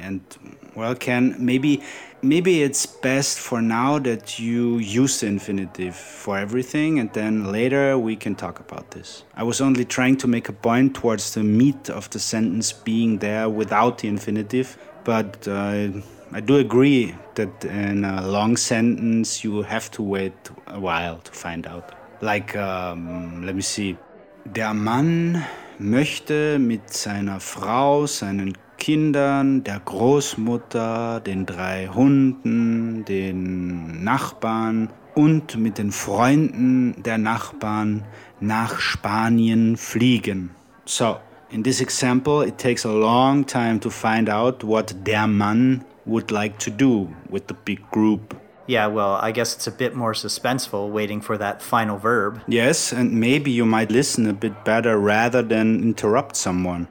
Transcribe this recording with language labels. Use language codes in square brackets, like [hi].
[en] And, well, Ken, maybe it's best for now that you use the infinitive for everything, and then later we can talk about this. I was only trying to make a point towards the meat of the sentence being there without the infinitive, but I do agree that in a long sentence you have to wait a while to find out. Like, let me see. [de] Der Mann möchte mit seiner Frau seinen Kindern, der Großmutter, den drei Hunden, den Nachbarn und mit den Freunden der Nachbarn nach Spanien fliegen. [en] So, in this example, it takes a long time to find out what der Mann would like to do with the big group. Yeah, well, I guess it's a bit more suspenseful waiting for that final verb. Yes, and maybe you might listen a bit better rather than interrupt someone.